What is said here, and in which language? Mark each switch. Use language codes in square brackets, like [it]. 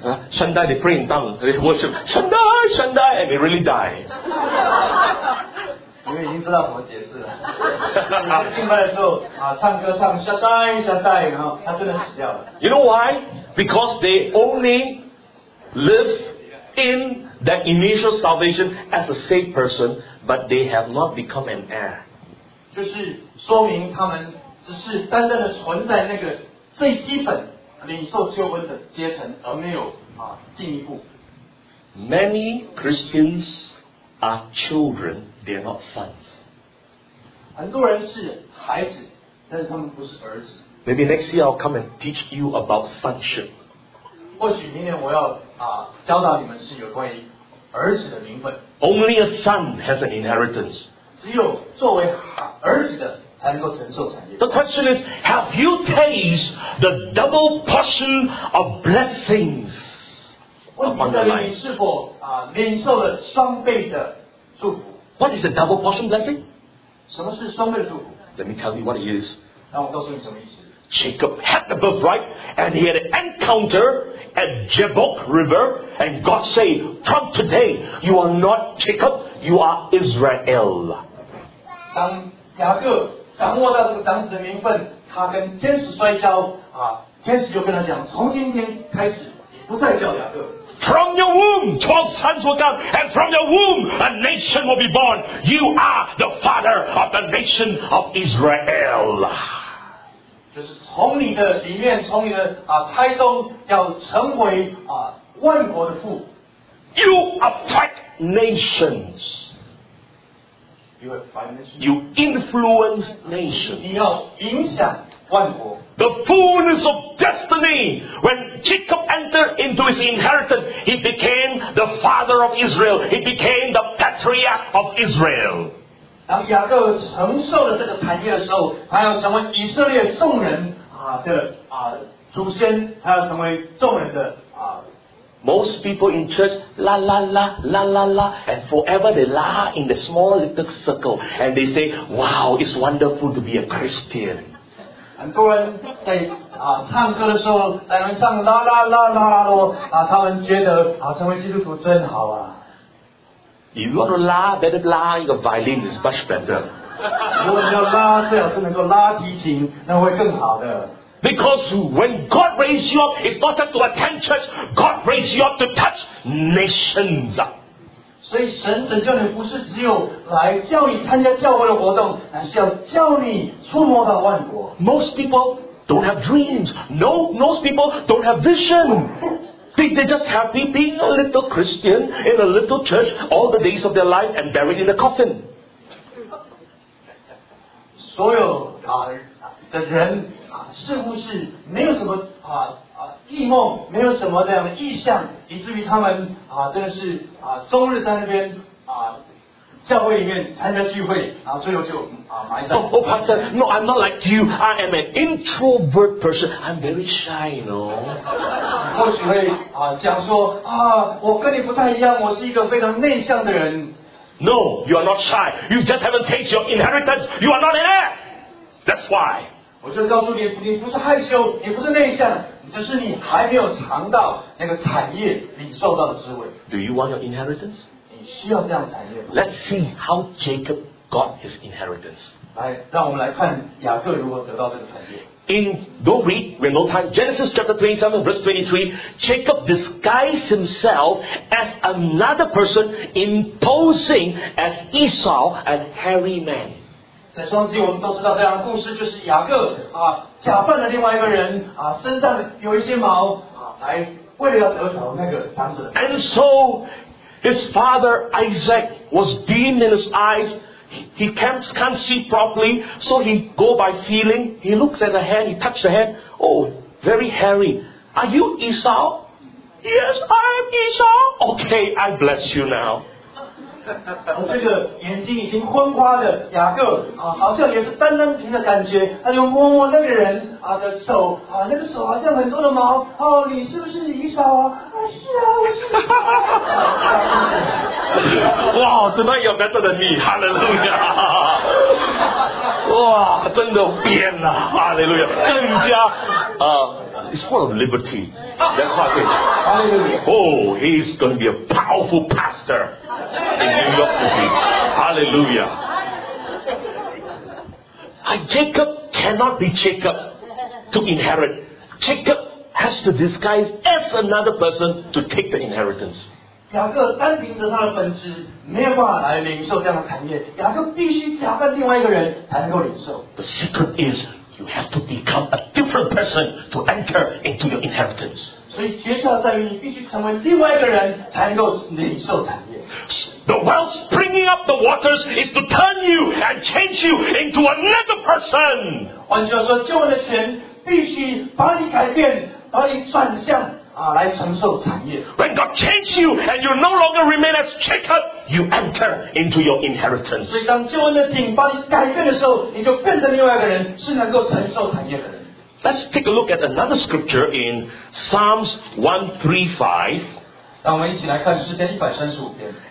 [en] Shall die, they pray in tongue, they worship, shall die, and they really die. [zh] 因为已经知道怎么解释了，就是敬拜的时候啊，唱歌唱下带，然后他真的死掉了。 [en] You know why? Because they only live in that initial salvation as a saved person, but they have not become an heir. [zh] 就是说明他们只是单单的存在那个最基本领受救恩的阶层，而没有啊进一步。 [en] Many Christians are children. They are not sons. [zh] 很多人是孩子，但是他们不是儿子。 [en] Maybe next year I'll come and teach you about sonship. [zh] 或许明年我要教导你们是有关于儿子的名分。 [en] Only a son has an inheritance. [zh] 只有作为儿子的才能够承受产业。 [en] The question is, have you tasted the double portion of blessings? [zh] 问题在于你是否领受了双倍的祝福。 [en] What is a double portion blessing? [zh] 什么是双倍的祝福? [en] Let me tell you what it is. [zh] 那我告诉你什么意思。 [en] Jacob had the birthright, and he had an encounter at Jabbok River, and God said, "From today, you are not Jacob, you are Israel." [zh] 当雅各掌握到这个长子的名分，他跟天使摔跤啊，天使就跟他讲，从今天开始，你不再叫雅各。 [en] From your womb, 12 sons will come, and from your womb, a nation will be born. You are the father of the nation of Israel. [zh] 就是从你的里面，从你的胎中，要成为万国的父。 [en] You affect nations. You affect nations. You influence nations. [zh] 你要影响。 [en] The fullness of destiny. When Jacob entered into his inheritance, he became the father of Israel. He became the patriarch of Israel. [zh] 当雅各承受了这个产业的时候，他要成为以色列众人的祖先，他要成为众人的 [en] Most people in church la la la la la la, and forever they la in the small little circle, and they say, "Wow, it's wonderful to be a Christian." [zh] 很多人在唱歌的时候，在那边唱啦啦啦啦啦啦，他们觉得成为基督徒真好啊。 [en] You want to la, better la, your violin is much better. [zh] 如果要拉，最好是能够拉提琴，那会更好的。 [en] Because when God raised you up, it's not just to attend church. God raised you up to touch nations. [zh] 所以神拯救你不是只有来叫你参加教会的活动，而是要叫你触摸到万国。 [en] Most people don't have dreams. No, most people don't have vision. They just happy being a little Christian in a little church all the days of their life and buried in a coffin. [zh] 所有的人似乎是没有什么异梦，没有什么这样的意象，以至于他们真的是终日在那边教会里面参加聚会，最后就埋葬。 [en] Oh, Pastor, no, I'm not like you. I am an introvert person. I'm very shy, you know. [zh] 或许会讲说我跟你不太一样，我是一个非常内向的人。 [en] No, you are not shy. You just haven't tasted your inheritance. You are not an heir. That's why. [zh] 我我就告诉你，你不是害羞，你不是内向，只是你还没有尝到那个产业领受到的滋味。 [en] Do you want your inheritance? [zh] 你需要这样的产业吗？ [en] Let's see how Jacob got his inheritance. [zh] 来，让我们来看雅各如何得到这个产业。 [en] In, don't read, we have no time. Genesis chapter 27, verse 23, Jacob disguised himself as another person, imposing as Esau, a hairy man. [zh] 在双经我们都知道这样的故事，就是雅各啊，假扮了另外一个人啊，身上有一些毛啊，来为了要得着那个长子。 [en] And so his father Isaac was dim in his eyes. He can't see properly, so he go by feeling. He looks at the hand, he touches the hand. Oh, very hairy. Are you Esau? Yes, I am Esau. Okay, I bless you now. [zh] 这个眼睛已经昏花的雅各好像也是单单停的感觉，他就摸摸那个人的手那个手好像很多的毛你是不是Esau啊？是啊，我是 Esau。 [en] Wow, tonight you're better than me. Hallelujah. Wow, [zh] 真的变了。 [en] Hallelujah. [zh] 更加 [en] It's full of liberty. That's what I say. Oh, he's going to be a powerful pastor in New York City. Hallelujah. Jacob cannot be Jacob to inherit. Jacob has to disguise as another person to take the inheritance. [zh] 雅各单凭着他的本质没有办法来领受这样的产业，雅各必须假扮另外一个人才能够领受。 [en] The secret is,You have to become a different person to enter into your inheritance. [zh] 所以诀窍在于你必须成为另外一个人才能够领受产业。 [en] The well springing up the waters is to turn you and change you into another person. [zh] 换句话说，救恩的泉必须把你改变，把你转向来承受产业。 [en] When God changes you and you no longer remain as Jacob, you enter into your inheritance. [zh] 所以当救恩的井把你改变的时候，你就变成另外一个人，是能够承受产业的人。 [en] Let's take a look at another scripture in Psalms 135. [zh] 让我们一起来看诗篇135篇。